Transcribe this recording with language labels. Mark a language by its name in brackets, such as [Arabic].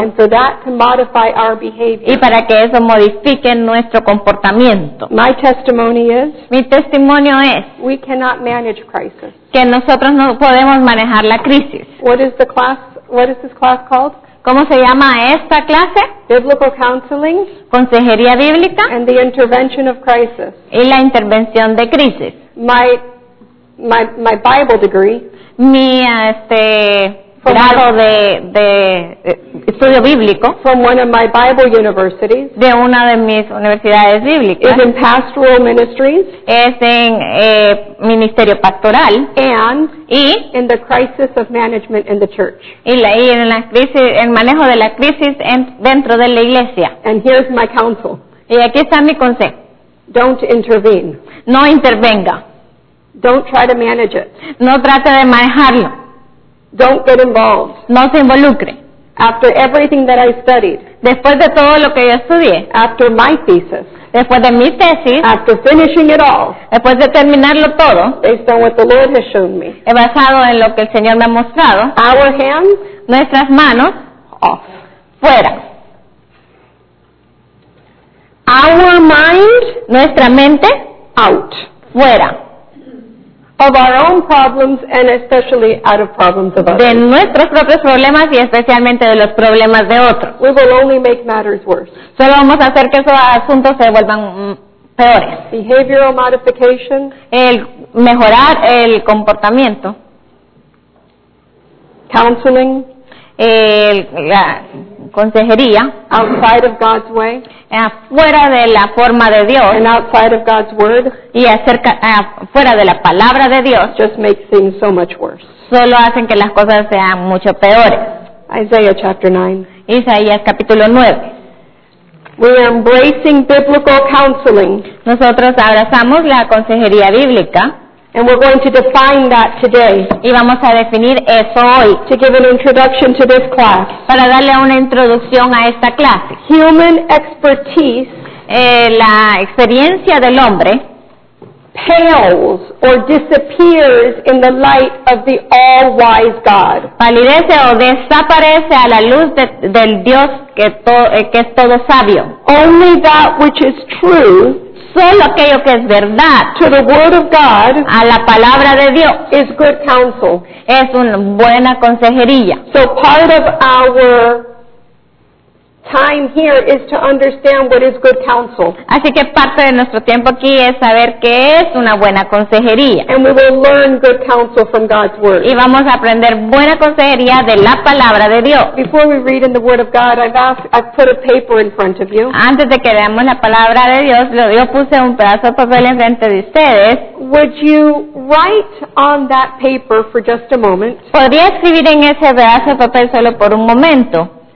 [English] and for that to modify our behavior, [Spanish] y para que eso modifique nuestro comportamiento. [English] My testimony is, [Spanish] mi testimonio es, [English] we cannot manage crisis. [Spanish] Que nosotros no podemos manejar la crisis. [English] What is the class, what is this class called? [Spanish] ¿Cómo se llama esta clase? [English] Biblical counseling. [Spanish] Consejería bíblica. [English] And the intervention of crisis. [Spanish] Y la intervención de crisis. [English] My Bible degree. [Spanish] Mi grado de estudio bíblico. [English] From one of my Bible universities. [Spanish] De una de mis universidades bíblicas. [English] Is in pastoral ministries. [Spanish] Es en ministerio pastoral. [English] And [Spanish] y [English] in the crisis of management in the church. [Spanish] Y la, y en la crisis, en manejo de la crisis en, dentro de la iglesia. [English] And here's my counsel. [Spanish] Y aquí está mi consejo. [English] Don't intervene. [Spanish] No intervenga. [English] Don't try to manage it. [Spanish] No trate de manejarlo. [English] Don't get involved. [Spanish] No se involucre. [English] After everything that I studied. [Spanish] Después de todo lo que yo estudié. [English] After my thesis. [Spanish] Después de mi tesis. [English] After finishing it all. [Spanish] Después de terminarlo todo. [English] Based on what the Lord has shown me. [Spanish] He basado en lo que el Señor me ha mostrado. [English] Our hands. [Spanish] Nuestras manos. [English] Off. [Spanish] Fuera. [English] Our mind. [Spanish] Nuestra mente. [English] Out. [Spanish] Fuera. [English] Of our own problems and especially out of problems of others. [Spanish] De nuestros propios problemas y especialmente de los problemas de otros. [English] We will only make matters worse. [Spanish] Solo vamos a hacer que esos asuntos se vuelvan peores. [English] Behavioral modification. [Spanish] El mejorar el comportamiento. [English] Counseling. [Spanish] La consejería. [English] Outside of God's way. [Spanish] Fuera de la forma de Dios. [English] And outside of God's word. [Spanish] Y acerca, fuera de la palabra de Dios. [English] Just makes things so much worse. [Spanish] Solo hacen que las cosas sean mucho peores. [English] Isaiah chapter 9. [Spanish] Isaías capítulo 9. [English] We are embracing biblical counseling. [Spanish] Nosotros abrazamos la consejería bíblica. [English] And we're going to define that today. [Spanish] Y vamos a definir eso hoy. [English] To give an introduction to this class. [Spanish] Para darle una introducción a esta clase. [English] Human expertise. [Spanish] La experiencia del hombre. [English] Pales or disappears in the light of the all-wise God. [Spanish] Palidece o desaparece a la luz de, del Dios que, que es todo sabio. [English] Only that which is true. [Spanish] Solo aquello que es verdad. [English] To the word of God. [Spanish] A la palabra de Dios. [English] Is good counsel. [Spanish] Es una buena consejería. [English] So part of our time here is to understand what is good counsel. [Spanish] Así que parte de nuestro tiempo aquí es saber qué es una buena consejería. [English] And we will learn good counsel from God's word. [Spanish] Y vamos a aprender buena consejería de la palabra de Dios. [English] Before we read in the word of God, I've put a paper in front of you. [Spanish] Antes de que leamos la palabra de Dios, yo puse un pedazo de papel en frente de ustedes. [English] Would you write on that paper for just a moment? [Spanish] ¿Podría escribir en ese pedazo de papel solo por un momento?